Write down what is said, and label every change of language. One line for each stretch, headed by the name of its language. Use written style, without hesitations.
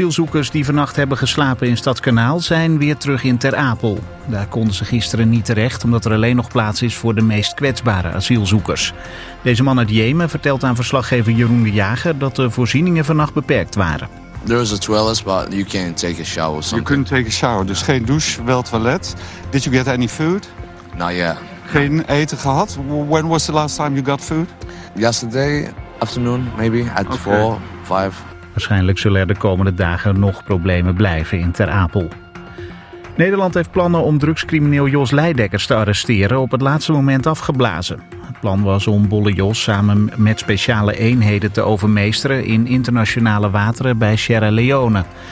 Dutch: asielzoekers die vannacht hebben geslapen in Stadskanaal zijn weer terug in Ter Apel. Daar konden ze gisteren niet terecht omdat er alleen nog plaats is voor de meest kwetsbare asielzoekers. Deze man uit Jemen vertelt aan verslaggever Jeroen de Jager dat de voorzieningen vannacht beperkt waren.
English: There is a toilet, but you can't take a shower or something. You couldn't take a shower,
Dutch: dus geen douche, wel toilet.
English: Did you get any food? Not yet.
Dutch: Geen eten gehad?
English: When was the last time you got food? Yesterday afternoon, maybe, at 4, 5.
Dutch: Waarschijnlijk zullen er de komende dagen nog problemen blijven in Ter Apel. Nederland heeft plannen om drugscrimineel Jos Leidekkers te arresteren op het laatste moment afgeblazen. Het plan was om Bolle Jos samen met speciale eenheden te overmeesteren in internationale wateren bij Sierra Leone.